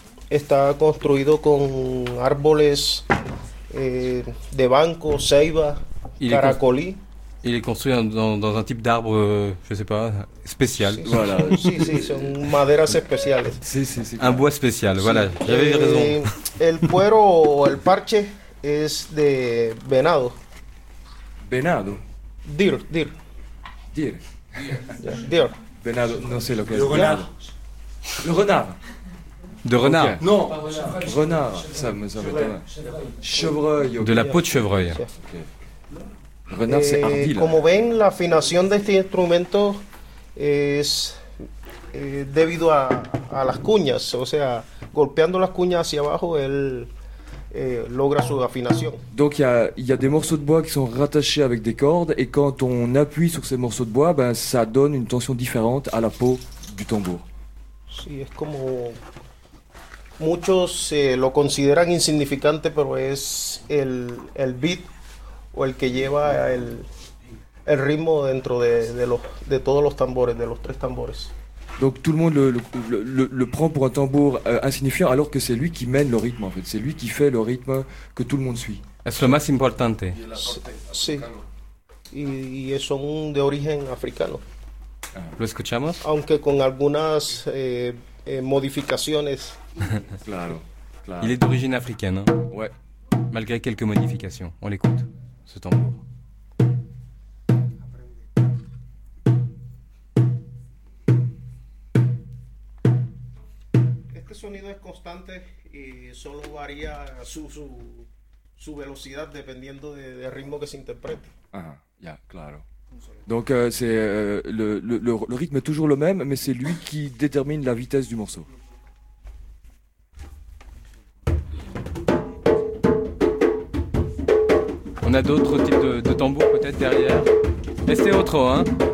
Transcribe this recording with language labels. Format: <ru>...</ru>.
<es>Está construido con árboles de banco, ceiba, caracolí.</es> <fr>Il est construit dans un type d'arbre, je sais pas, spécial.</fr> <es>Si, voilà. Si, son maderas especiales. Si.</es> <fr>Un bois spécial,</fr> <es>si.</es> <fr>Voilà, j'avais raison.</fr> <es>El cuero, el parche, es de venado. Venado.</es> <en>Deer. Deer. Deer. Deer.</en> <es>Venado, no sé lo que le es.</es> <fr>Renard. Le renard. De renard. Okay. Non, pas renard. Renard, ça me semble être. Chevreuil. De la peau de chevreuil. Renard, c'est ardile.</fr> <es>Como ven, la afinación de este instrumento es debido a las cuñas, o sea, golpeando las cuñas hacia abajo, él logra su afinación.</es> <fr>Donc il y a des morceaux de bois qui sont rattachés avec des cordes, et quand on appuie sur ces morceaux de bois, ben ça donne une tension différente à la peau du tambour.</fr> <es>Sí, es como muchos lo consideran insignificante, pero es el beat. O el que lleva el ritmo dentro de todos los tambores, de los tres tambores.</es> <fr>Donc tout le monde le prend pour un tambour insignifiant, alors que c'est lui qui mène le rythme, en fait. C'est lui qui fait le rythme que tout le monde suit.</fr> <es>Es lo más importante. Sí. Y son de origen africano. Lo escuchamos. Aunque con algunas modificaciones. Claro.</es> <fr>Il est d'origine africaine. Hein? Ouais. Malgré quelques modifications. On l'écoute. Ce tambour.</fr> <es>Este sonido es constante y solo varía su velocidad dependiendo del ritmo que se interprete. Ah, ya, claro.</es> <fr>Donc c'est le rythme est toujours le même, mais c'est lui qui détermine la vitesse du morceau. On a d'autres types de tambours peut-être derrière. Mais c'est autre, hein.</fr>